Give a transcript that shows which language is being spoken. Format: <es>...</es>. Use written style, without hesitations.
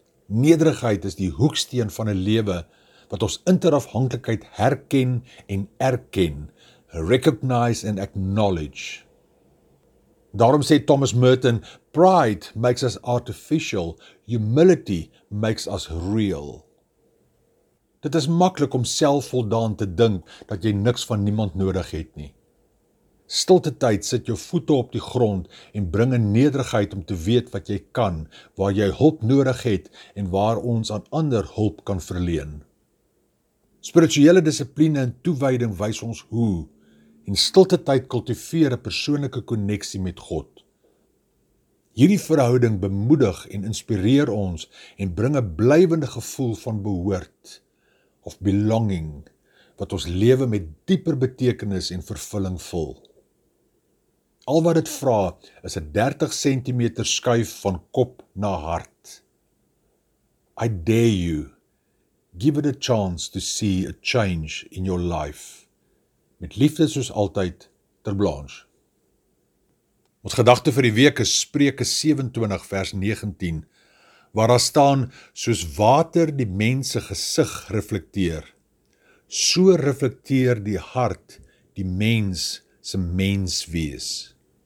<af>Nederigheid is die hoeksteen van 'n lewe wat ons interafhanklikheid herken en erken,</af> <en>recognize and acknowledge.</en> <af>Daarom sê</af> <en>Thomas Merton, "Pride makes us artificial, humility makes us real."</en> <af>Dit is maklik om selfvoldaan te dink dat jy niks van niemand nodig het nie. Stilte tyd sit jou voete op die grond en bring 'n nederigheid om te weet wat jy kan, waar jy hulp nodig het en waar ons aan ander hulp kan verleen. Spirituele dissipline en toewyding wys ons hoe en stilte tyd kultiveer 'n persoonlike koneksie met God. Hierdie verhouding bemoedig en inspireer ons en bring 'n blywende gevoel van behoort of belonging wat ons lewe met dieper betekenis en vervulling vul. Al wat dit vra is 'n 30 cm skuif van kop na hart.</af> <en>I dare you. Give it a chance to see a change in your life.</en> <af>Met liefde soos altyd, Ter Blanche. Ons gedagte vir die week is Spreuke 27 vers 19, waar daar staan, soos water die mense gesig reflekteer, so reflekteer die hart die mens se mens wees.</af>